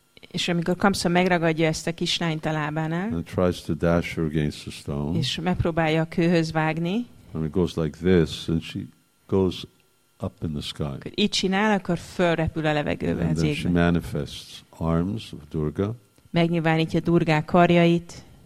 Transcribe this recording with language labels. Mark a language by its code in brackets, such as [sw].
[hu] És amikor Kamsa megragadja ezt a kislányt a lábánál. [en] And tries to dash her against the stone. [hu] És megpróbálja a kőhöz vágni. [en] And it goes like this, and she goes up in the sky. [hu] Akkor így csinál, akkor fölrepül a levegőbe. [en] And then she manifests arms of Durga. [hu] Megnyilvánítja Durga karjait.